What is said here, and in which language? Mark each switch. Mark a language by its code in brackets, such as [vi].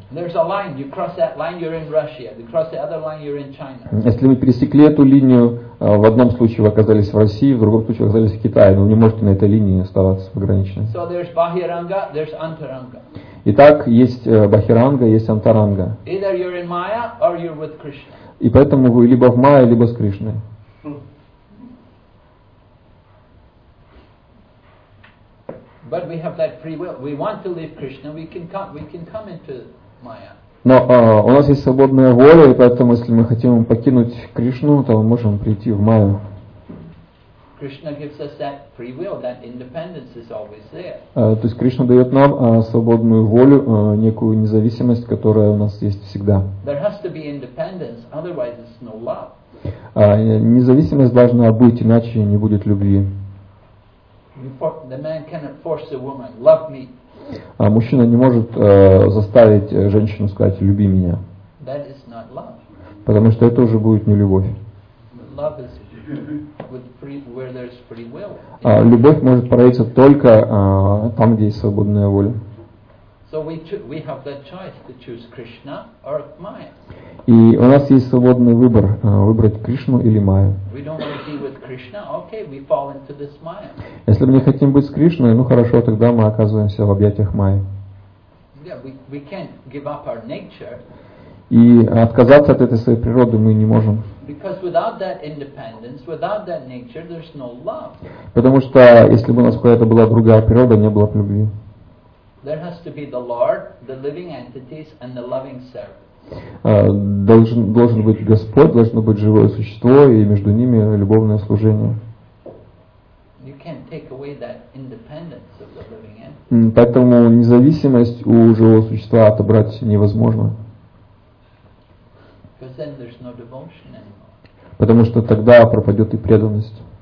[ru] Если вы пересекли эту линию, в одном случае вы оказались в России, в другом случае вы оказались в Китае, но вы не можете на этой линии оставаться пограничной. [en] So there's bahiranga, there's antaranga. [ru] Итак, есть бахиранга, есть антаранга. [en] Either you're in Maya or you're with Krishna. [ru] И поэтому вы либо в Майе, либо с Кришной. [en] But we have that free will. We want to leave Krishna. We can come into Maya. [ru] Но у нас есть свободная воля, и поэтому, если мы хотим покинуть Кришну, то мы можем прийти в Майю. [en] Krishna gives us that free will. That independence is always there. [ru] То есть Кришна дает нам свободную волю, некую независимость, которая у нас есть всегда. [en] There has to be independence, otherwise it's no love. [ru] Независимость должна быть, иначе не будет любви. [en] The man cannot force a woman, love me. [ru] Мужчина не может заставить женщину сказать «люби меня». [en] That is not love. [ru] Потому что это уже будет не любовь. [en] Love is with free, where there is free will. [ru] Любовь может проявиться только там, где есть свободная воля. [en] So we have that choice to choose Krishna or Maya. [ru] И у нас есть свободный выбор, выбрать Кришну или Майю. [en] We don't want to be with Krishna, okay, we fall into this Maya. [ru] Если мы не хотим быть с Кришной, ну хорошо, тогда мы оказываемся в объятиях Майи. [en] Yeah, we can't give up our nature. [ru] И отказаться от этой своей природы мы не можем. [en] Because without that independence, without that nature, there's no love. [ru] Потому что если бы у нас какая-то была другая природа, не было бы любви. [en] There has to be the Lord, the living entities, and the loving servant. [ru] Должен быть Господь, должно быть живое существо, и между ними любовное служение. [en] You can't take away that independence of the living entity. [ru] Поэтому независимость у живого существа отобрать невозможно. [en] Because then there's no devotion anymore. [ru] Потому что тогда пропадет и преданность.